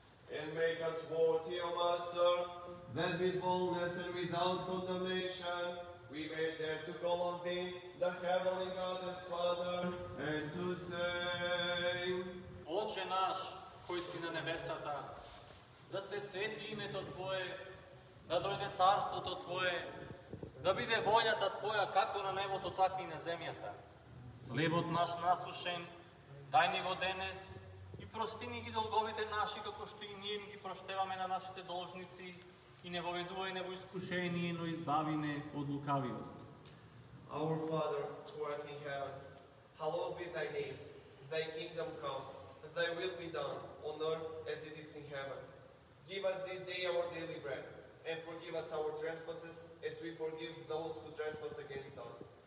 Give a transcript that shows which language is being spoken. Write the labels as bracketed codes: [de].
[en] And make us worthy, O Master, that with boldness and without condemnation, we may dare to call on thee, the heavenly God as Father, and to say, [mk] Oče naš, koji si na nebesata, da se sveti ime to Tvoje, da dojde carstvo Tvoje, да биде волята Твоја како на небото, така и на земјата. Хлебот наш насушен, дај ни го денес, и прости ни ги долговите наши, како што и ние ги проштеваме на нашите должници, и не воведувај не во искушение, но избави не од лукавиот. [en] Our Father, who art in heaven, hallowed be thy name, thy kingdom come, thy will be done, on earth as it is in heaven. Give us this day our daily bread, and forgive us our trespasses, as we forgive those who trespass against us.